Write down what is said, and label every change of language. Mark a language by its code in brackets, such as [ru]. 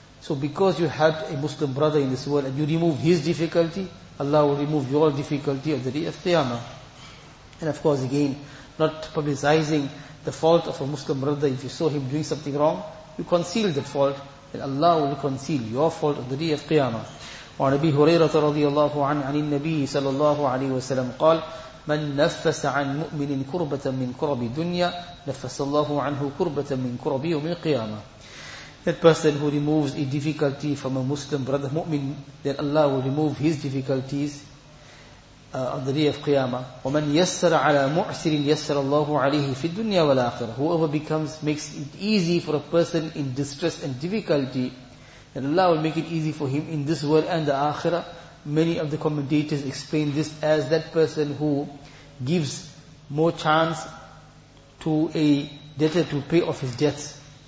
[en] So because you helped a Muslim brother in this world and you remove his difficulty, Allah will remove your difficulty on the day of Qiyamah. And of course, again, not publicizing the fault of a Muslim brother. If you saw him doing something wrong, you conceal the fault, and Allah will conceal your fault on the day of Qiyamah. [ar] وعن أبي هريرة رضي الله عنه عن النبي صلى الله عليه وسلم قال من نفس عن مؤمن كربة من كرب الدنيا نفس الله عنه كربة من كرب يوم القيامة. [en] That person who removes a difficulty from a Muslim brother, mu'min, then Allah will remove his difficulties on the day of Qiyamah. [ar] ومن يسر على معسر يسر الله عليه في الدنيا والآخرة. [en] Whoever becomes, makes it easy for a person in distress and difficulty, and Allah will make it easy for him in this world and the Akhirah. Many of the commentators explain this as that person who gives more chance to a debtor to pay off his debts.